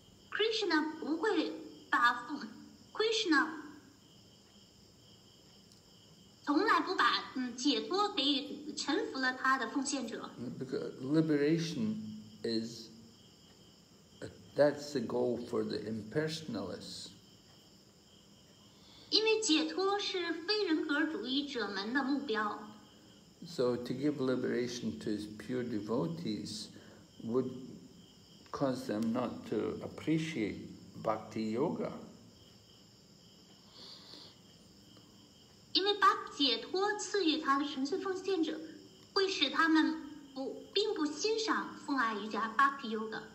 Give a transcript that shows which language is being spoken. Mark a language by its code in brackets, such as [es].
[zh] Krishna 从来不把解脱给予臣服了他的奉献者。 [en] Because liberation is that's the goal for the impersonalists. [zh] 因为解脱是非人格主义者们的目标。 [en] So to give liberation to his pure devotees would cause them not to appreciate bhakti yoga. [zh] 因为把解脱赐予他的纯粹奉献者，会使他们并不欣赏奉爱瑜伽 bhakti yoga.